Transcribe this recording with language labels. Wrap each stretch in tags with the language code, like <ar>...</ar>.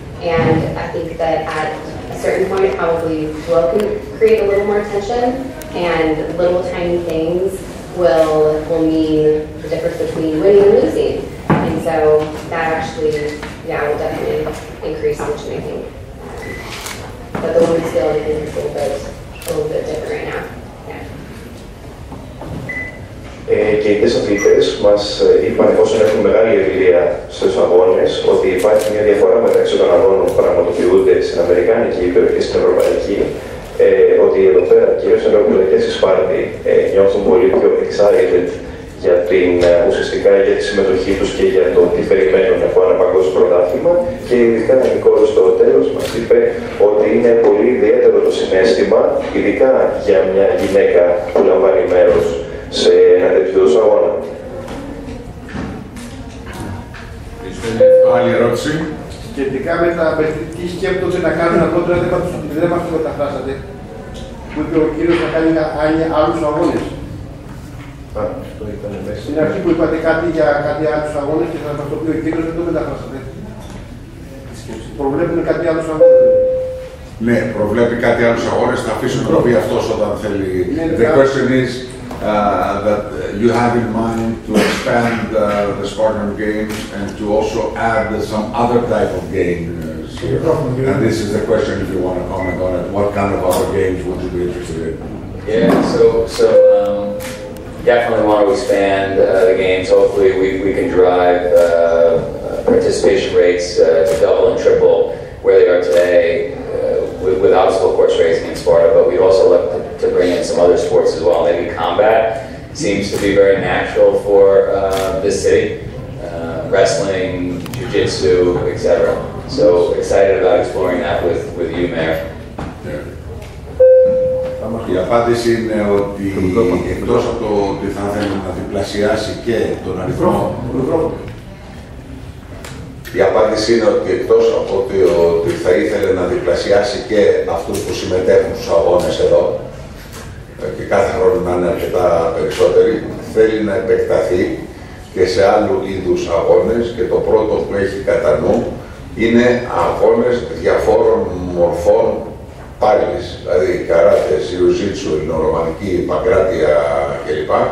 <en>And I think that at a certain point, it probably will create a little more tension, and little tiny things will mean the difference between winning and losing. And so that actually, yeah, will definitely increase much, I think. But the women's field, I think, is a little bit different right now.</en> <el>Και οι τρεις αθλητές μας είπαν, εφόσον έχουν μεγάλη εμπειρία στους αγώνες, ότι υπάρχει μια διαφορά μεταξύ των αγώνων που πραγματοποιούνται στην Αμερικάνικη ήπειρο και στην Ευρωπαϊκή, ότι εδώ πέρα, κυρίως οι Ευρωπαϊκοί και στη Σπάρτη, νιώθουν πολύ πιο excited για την, ουσιαστικά για τη συμμετοχή τους και για το τι περιμένουν από ένα παγκόσμιο πρωτάθλημα. Και ειδικά ο Νικόλος στο τέλος μας είπε ότι είναι πολύ ιδιαίτερο το συνέστημα, ειδικά για μια γυναίκα που λαμβάνει μέρος σε ένα τέτοιο είδους αγώνα. Άλλη ερώτηση. Σχετικά με τα απαιτητική σκέπτονται να κάνουν αυτό το έντευμα τους, ότι δεν μας το καταφράσατε, που είπε ο κύριος να κάνει άλλους αγώνες. Στην αρχή που είπατε κάτι για κάτι άλλους αγώνες και θα μας το πει ο κύριος, δεν το μεταφράσατε. Προβλέπουν κάτι άλλους αγώνες. Ναι, προβλέπει κάτι άλλους αγώνες, θα αφήσουν το πει αυτός όταν θέλει.</el> <en>The question is, that you have in mind to expand the Spartan Games and to also add some other type of games here. And this is the question, if you want to comment on it, what kind of other games would you be interested in? Yeah, so definitely want to expand the games. Hopefully we can drive participation rates to double and triple where they are today with obstacle course racing in Sparta, but we'd also like to bring in some other sports as well. Maybe combat seems to be very natural for this city. Wrestling, jiu-jitsu, etc. So excited about exploring that with you, Mayor.</en> <el>Η απάντηση είναι ότι εκτός από το ότι θα θέλουμε να διπλασιάσει και τον αριθμό. Η απάντηση είναι ότι εκτός από ότι, ότι θα ήθελε να διπλασιάσει και αυτούς που συμμετέχουν στους αγώνες εδώ και κάθε χρόνο να είναι αρκετά περισσότεροι, θέλει να επεκταθεί και σε άλλου είδους αγώνες, και το πρώτο που έχει κατά νου είναι αγώνες διαφόρων μορφών πάλις, δηλαδή καράτες, ιουζίτσου, ελληνορωμανική, παγκράτεια κλπ.</el>